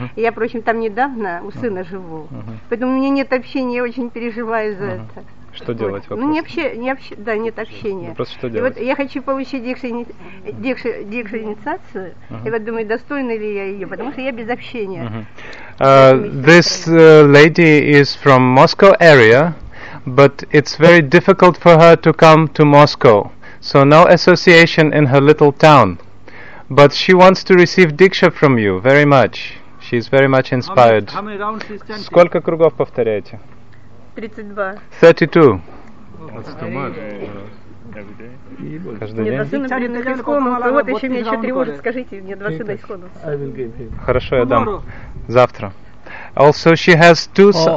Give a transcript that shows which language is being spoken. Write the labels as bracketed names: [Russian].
[Russian] Я, впрочем, там недавно у сына живу. Поэтому у меня нет общения, я очень переживаю за это. Что делать вопрос? Ну, нет общения. Ну, просто что делать? И вот я хочу получить дикшу инициацию, и вот думаю, достойна ли я ее, потому что я без общения. [English] This lady is from Moscow area, but it's very difficult for her to come to Moscow. So no association in her little town. But she wants to receive diksha from you very much. She is very much inspired. [Russian] Сколько кругов повторяете? 32. 32. [English] That's too much. Every day. [Russian] Каждый день. Мне два сына. Вот еще меня еще тревожит. Скажите, мне два сына исхода. Хорошо, я дам. Завтра. [English] Also, she has two.